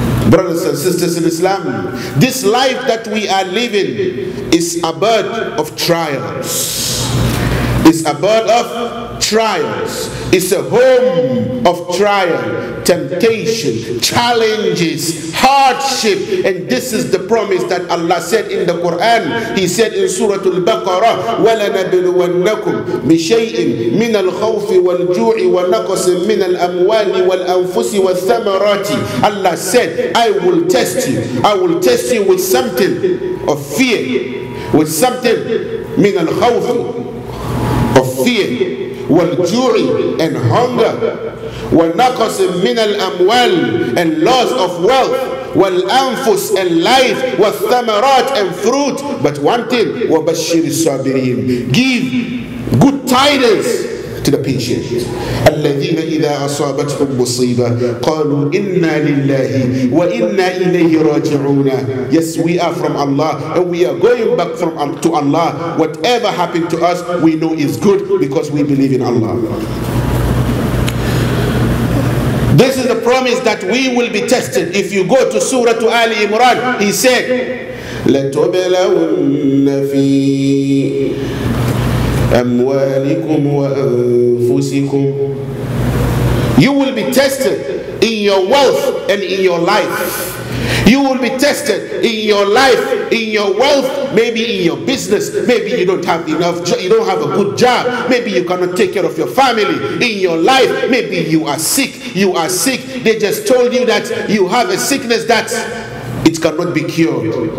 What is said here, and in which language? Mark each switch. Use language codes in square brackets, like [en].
[en] Brothers and sisters in Islam, this life that we are living is a bird of trials. It's a bird of trials. It's a home of trial, temptation, challenges, hardship. And this is the promise that Allah said in the Quran. He said in [ar] Surah Al-Baqarah, وَلَنَبْلُوَنَّكُمْ بِشَيْءٍ مِّنَ الْخَوْفِ وَالْجُوعِ وَنَقْصٍ مِّنَ الْأَمْوَالِ وَالْأَنفُسِ وَالثَّمَرَاتِ. [en] Allah said, I will test you. I will test you with something of fear, with something [ar] مِّنَ الْخَوْفِ [en] of fear, [ar] والجوع [en] and hunger, [ar] والنقص من الأموال [en] and loss of wealth, [ar] والأنفس [en] and life, [ar] والثمرات [en] and fruit. But one thing, [ar] وبشر الصابرين, [en] give good tidings to the patient. [ar] الذين إذا أصابتهم مصيبة قالوا إنا لله وإنا إليه راجعون. [en] Yes, we are from Allah and we are going back from to Allah. Whatever happened to us, we know is good because we believe in Allah. This is the promise that we will be tested. If you go to Surah Ali Imran, he said, [ar] لتبلون في أموالكم وأنفسكم. [en] You will be tested in your wealth and in your life. You will be tested in your life, in your wealth, maybe in your business. Maybe you don't have enough, you don't have a good job. Maybe you cannot take care of your family. In your life, maybe you are sick. You are sick. They just told you that you have a sickness that it cannot be cured.